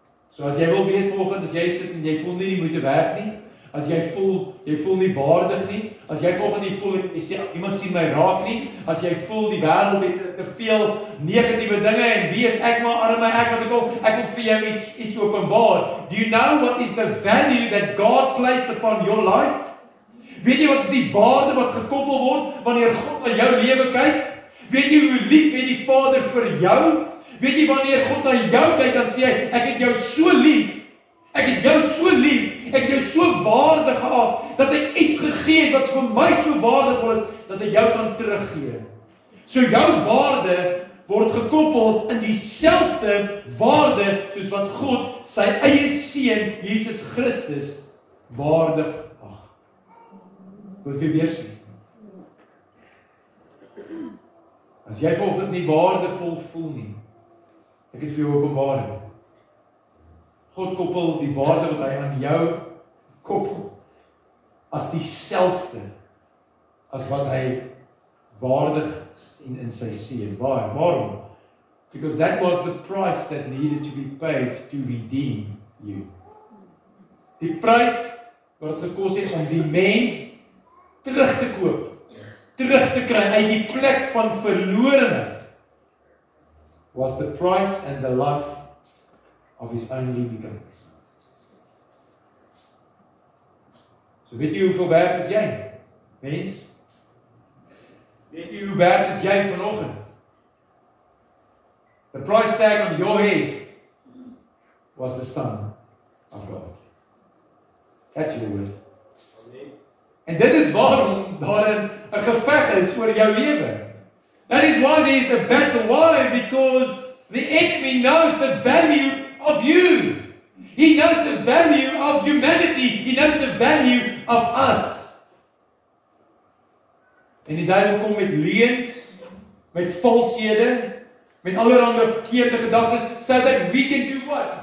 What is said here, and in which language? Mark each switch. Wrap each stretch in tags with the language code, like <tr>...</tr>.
<af>So as jy wil weet vanoggend, as jy sit en jy voel nie jy moet werk nie, as jy voel nie waardig nie, as jy vanoggend nie voel jy sê iemand sien my raak nie, as jy voel die wêreld het te veel negatiewe dinge en wie is ek maar arm my ek wat ek al ek wil vir jou iets openbaar.</af> <en>Do you know what is the value that God placed upon your life?</en> <af>Weet jy wat is die waarde wat gekoppel word wanneer God na jou lewe kyk? Weet jy hoe lief het die Vader vir jou? Weet jy wanneer God na jou kyk dan sê hy, ek het jou so lief. Ek het jou so lief. Ek het jou so waardig geag dat ek iets gegee het wat vir my so waardig was dat ek jou kan teruggee. So jou waarde word gekoppel in dieselfde waarde soos wat God sy eie seun Jesus Christus waardig ag. Wat jy weer sien. As jy volgens nie waardevol voel nie, ek het vir jou openbaring. God koppel die waarde wat hy aan jou koppel as dieselfde as wat hy waardig sien in sy seun. Waarom?</af> <en>Because that was the price that needed to be paid to redeem you.</en> <af>Die prys wat het gekos het om die mens terug te koop, terug te kry uit die plek van verlorenheid,</af> <en>was the price and the life of his only begotten son.</en> <af>So weet jy hoeveel werd is jy, mens? Weet jy hoe werd is jy vanoggend?</af> <en>The price tag on your head was the Son of God. That's your word.</en> <af>En dit is waarom daarin 'n geveg is oor jou lewe.</af> <en>That is why there is a battle. Why? Because the enemy knows the value of you. He knows the value of humanity. He knows the value of us.</en> <af>En die duivel kom met leuns, met valshede, met allerhande verkeerde gedagtes,</af> <en>so that we can do what?</en>